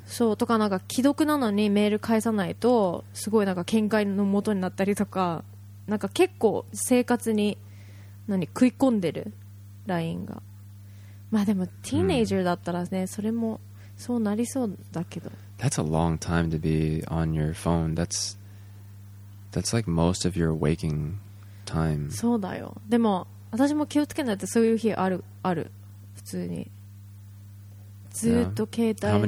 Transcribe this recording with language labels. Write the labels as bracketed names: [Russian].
[Japanese] そうとか、なんか既読なのにメール返さないとすごいなんか喧嘩の元になったりとか、なんか結構生活に何食い込んでる LINE が。まあでもティーネイジャーだったらね、うん、それもそうなりそうだけど、 [English] That's a long time to be on your phone. That's like most of your waking time. [Japanese] そうだよ。でも私も気をつけないと、そういう日あるある、普通にずっと携帯